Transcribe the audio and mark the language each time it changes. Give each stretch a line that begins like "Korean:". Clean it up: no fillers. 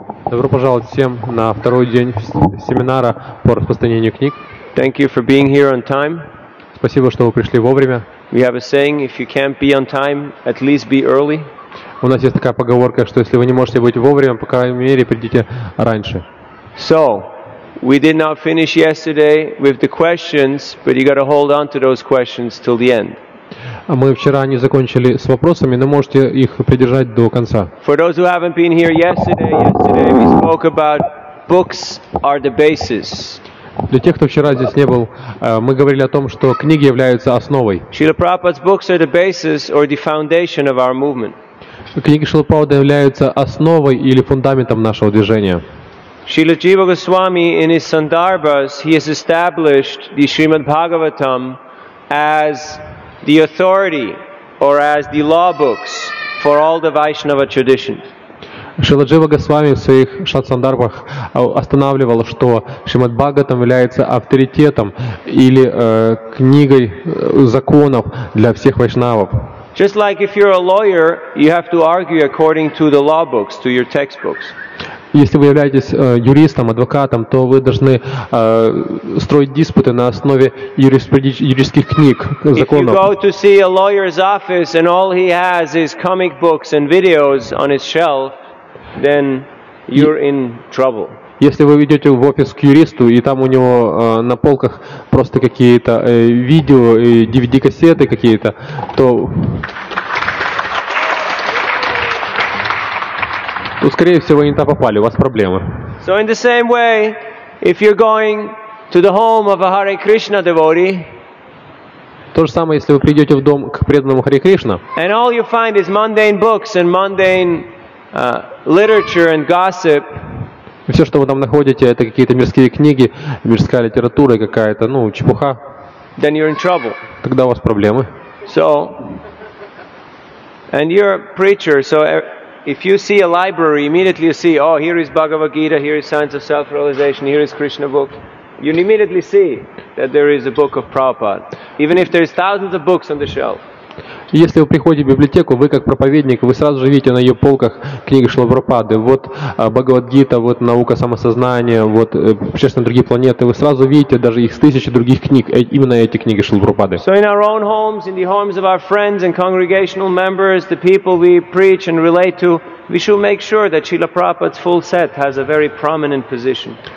Russian: Добро пожаловать всем на второй день семинара по распространению книг.
English: Thank you for being here on time.
Russian: Спасибо, что вы пришли вовремя.
English: We have a saying, if you can't be on time, at least be early.
Russian: У нас есть такая поговорка, что если вы не можете быть вовремя, по крайней мере, придите раньше.
English: So, we did not finish yesterday with the questions, but you got to hold on to those questions till the end.
Russian: Мы вчера не закончили с вопросами, но можете их придержать до конца.
English: For those who haven't been here yesterday we spoke about books are the basis.
Russian: Для тех, кто вчера здесь не был, мы говорили о том, что книги являются основой.
English: Srila Prabhupada's books are the basis or the foundation of our movement.
Russian: Книги Шрилы Прабхупады являются основой или фундаментом нашего движения.
English: Srila Jiva Goswami in his Sandarbhas he has established the Srimad Bhagavatam as the authority or as the law books for all the Vaishnava tradition.
Russian: Шрила Джива Госвами в своих шат-сандарбах останавливал, что Шримад Бхагаватам является авторитетом или книгой законов для всех вайшнавов.
English: Just like if you're a lawyer, you have to argue according to the law books, to your textbooks.
Russian: Если вы являетесь юристом, адвокатом, то вы должны строить диспуты на основе юридических книг, законов.
English: If you go to see a lawyer's office and all he has is comic books and videos on his shelf, then you're in trouble.
Russian: Если вы идете в офис к юристу, и там у него на полках просто какие-то видео и DVD-кассеты какие-то, то... Ну, скорее всего, вы не там попали, у вас проблемы.
English: So in the same way, if you're going to the home of a Hare Krishna devotee,
Russian: то же самое, если вы придете в дом к преданному Харе Кришна,
English: and all you find is mundane books and mundane literature and gossip,
Russian: и все, что вы там находите, это какие-то мирские книги, мирская литература какая-то, ну, чепуха,
English: then you're in trouble.
Russian: Тогда у вас проблемы.
English: So, and you're a preacher, so... If you see a library, immediately you see, oh, here is Bhagavad Gita, here is Science of Self-Realization, here is Krishna book. You immediately see that there is a book of Prabhupada, even if there is thousands of books on the shelf.
Russian: Если вы приходите в библиотеку, вы как проповедник, вы сразу же видите на ее полках книги Шрилы Прабхупады. Вот Бхагавад-гита, вот наука самосознания, вот путешествие на другие планеты. Вы сразу видите даже их с тысячи других книг, именно эти книги Шрилы Прабхупады.
English: So in our own homes, in the homes of our friends and congregational members, the people we preach and relate to, we should make sure that Srila Prabhupada's full set has a very prominent position.